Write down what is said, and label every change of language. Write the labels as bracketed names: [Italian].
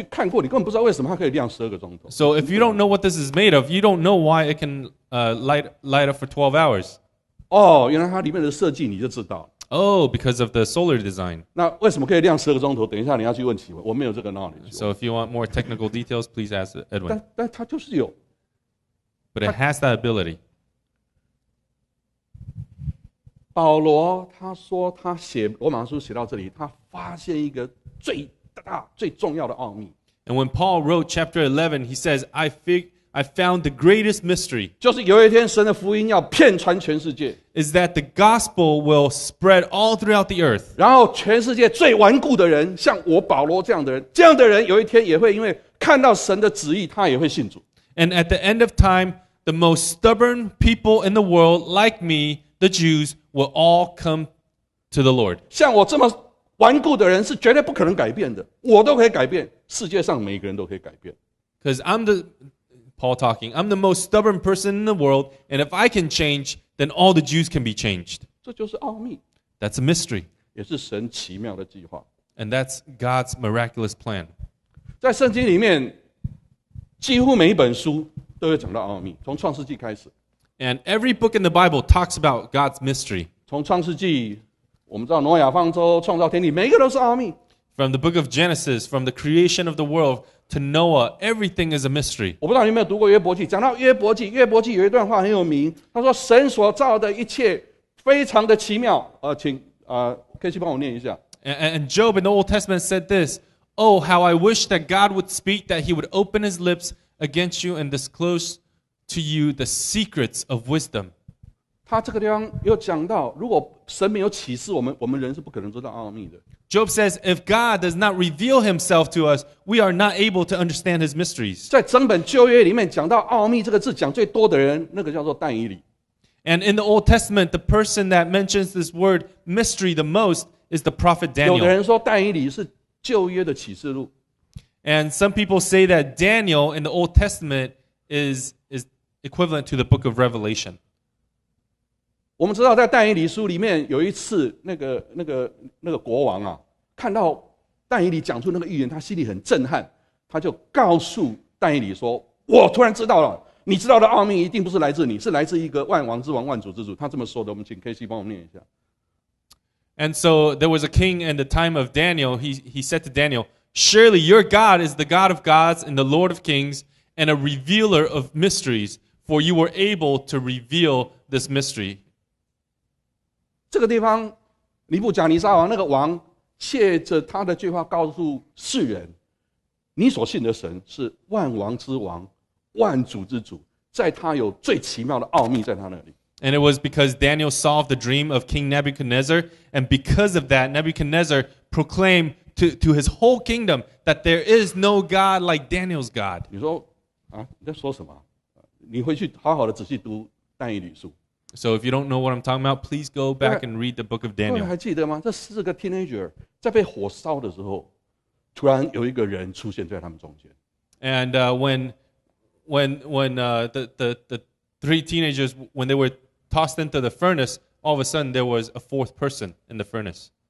[Chinese] 像刚才讲的这个，你如果没有去看过，你根本不知道为什么它可以亮12个钟头。 [English] So if you don't know what this is made of, you don't know why it can light up for 12 hours. [Chinese] 哦，原来它里面的设计你就知道。 [English] Oh, because of the solar design. [Chinese] 那为什么可以亮12个钟头？等一下你要去问启文，我没有这个 knowledge. [English] So if you want more technical details, please ask Edwin. [Chinese] 但它就是有。 [English] But it has that ability. [Chinese] 保罗他说他写罗马书写到这里，他发现一个最大最重要的奥秘。 [English] And when Paul wrote chapter 11, he says, "I figure." I found the greatest mystery. [Chinese] 就是有一天神的福音要遍传全世界。 [English] Is that the gospel will spread all throughout the earth. [Chinese] 然后全世界最顽固的人，像我保罗这样的人，这样的人有一天也会因为看到神的旨意，他也会信主。 [English] And at the end of time, the most stubborn people in the world, like me, the Jews, will all come to the Lord. [Chinese] 像我这么顽固的人是绝对不可能改变的，我都可以改变，世界上每一个人都可以改变。 [English] Because I'm the Paul talking, I'm the most stubborn person in the world, and if I can change, then all the Jews can be changed. [Chinese] 这就是奥秘。 [English] That's a mystery. [Chinese] 也是神奇妙的计划。 [English] And that's God's miraculous plan. [Chinese] 在圣经里面，几乎每一本书都有讲到奥秘，从创世纪开始。 [English] And every book in the Bible talks about God's mystery. [Chinese] 从创世纪，我们知道挪亚方舟，创造天地，每一个都是奥秘。 [English] From the book of Genesis, from the creation of the world to Noah, everything is a mystery. [Chinese] 我不知道你有没有读过约伯记，讲到约伯记，约伯记有一段话很有名，他说神所造的一切非常的奇妙。请KC帮我念一下。 [English] And Job in the Old Testament said this, Oh, how I wish that God would speak, that he would open his lips against you and disclose to you the secrets of wisdom. [Chinese] 他这个地方又讲到，如果神没有启示我们，我们人是不可能知道奥秘的。 [English] Job says, if God does not reveal himself to us, we are not able to understand his mysteries. [Chinese] 在整本旧约里面讲到奥秘这个字讲最多的人，那个叫做但以理。 [English] And in the Old Testament, the person that mentions this word mystery the most is the prophet Daniel. [Chinese] 有的人说但以理是旧约的启示录。 [English] And some people say that Daniel in the Old Testament is equivalent to the book of Revelation. [Chinese] 我们知道在但以理书里面有一次那个国王啊，看到但以理讲出那个预言，他心里很震撼，他就告诉但以理说，我突然知道了，你知道的奥秘一定不是来自你，是来自一个万王之王，万主之主。他这么说的，我们请 KC 帮我们念一下。 [English] And so there was a king in the time of Daniel. He said to Daniel, surely your God is the God of gods and the Lord of kings and a revealer of mysteries, for you were able to reveal this mystery. [Chinese] 这个地方，尼布甲尼撒王那个王，借着他的句话告诉世人：“你所信的神是万王之王，万主之主，在他有最奇妙的奥秘在他那里。” [English] And it was because Daniel solved the dream of King Nebuchadnezzar, and because of that, Nebuchadnezzar proclaimed to his whole kingdom that there is no God like Daniel's God. [Chinese] 你说啊，你在说什么？你回去好好的仔细读但以理书。 [English] So if you don't know what I'm talking about, please go back and read the book of Daniel. [Chinese] 还记得吗？这四个 teenager 在被火烧的时候，突然有一个人出现在他们中间。 [English] And when the three teenagers, when they were tossed into the furnace, all of a sudden there was a fourth person in the furnace.